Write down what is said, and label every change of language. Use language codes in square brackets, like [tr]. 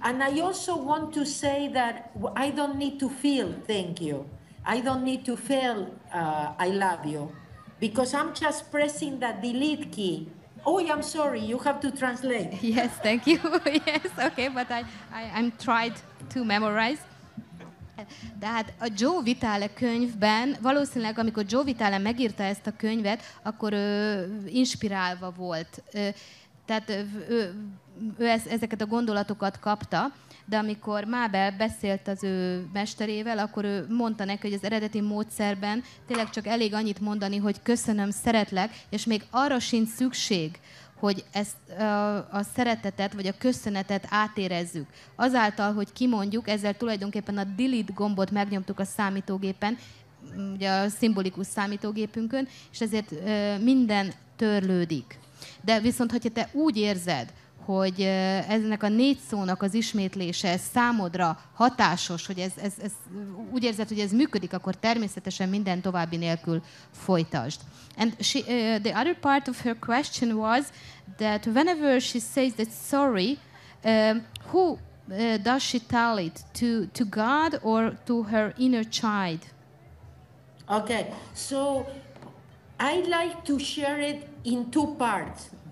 [en] And I also want to say that I don't need to feel thank you. I don't need to feel I love you, because I'm just pressing that delete key. Oh, I'm sorry, you have to translate. Yes, thank you. Yes, okay, but I'm tried to memorize. [hu] De hát a Joe Vitale könyvben, valószínűleg amikor Joe Vitale megírta ezt a könyvet, akkor inspirálva volt. Tehát ezeket a gondolatokat kapta, de amikor Mábel beszélt az ő mesterével, akkor ő mondta neki, hogy az eredeti módszerben tényleg csak elég annyit mondani, hogy köszönöm, szeretlek, és még arra sincs szükség, hogy ezt a szeretetet vagy a köszönetet átérezzük. Azáltal, hogy kimondjuk, ezzel tulajdonképpen a delete gombot megnyomtuk a számítógépen, ugye a szimbolikus számítógépünkön, és ezért minden törlődik. De viszont, hogyha te úgy érzed, hogy ennek a 4 szónak az ismétlése számodra hatásos, hogy ez úgy érzed, hogy ez működik, akkor természetesen minden további nélkül folytasd. [en] And she, the other part of her question was that whenever she says that sorry, who does she tell it to God or to her inner child? Okay, so I like to share it in 2 parts.